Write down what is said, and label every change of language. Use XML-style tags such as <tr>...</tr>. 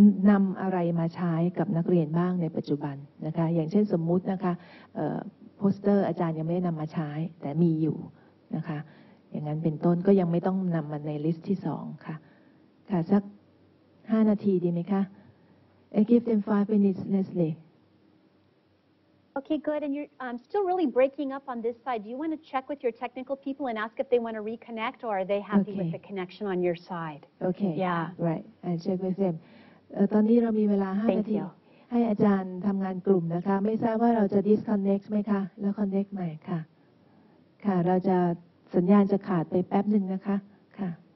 <th>นำอะไรมาใช้กับนักเรียนบ้างในปัจจุบันนะคะอย่างเช่นสมมุตินะคะโปสเตอร์อาจารย์ยังไม่ได้นำมาใช้แต่มีอยู่นะคะอย่างนั้นเป็นต้นก็ยังไม่ต้องนำมาในลิสต์ที่สองค่ะค่ะสัก5นาทีดีไหมคะ</th> <en>I give them 5 minutes Leslie Okay good and you're still really breaking up on this side. Do you want to check with your technical people and ask if they want to reconnect or are they happy okay. with the connection on your side? Okay. Yeah. Right. I check with them.</en> <th>ตอนนี้เรามีเวลา5นาทีให้อาจารย์ทำงานกลุ่มนะคะไม่ทราบว่าเราจะ disconnect มั้ยคะแล้ว connect ใหม่ค่ะค่ะเราจะสัญญาณจะขาดไปแป๊บนึงนะคะค่ะ</th>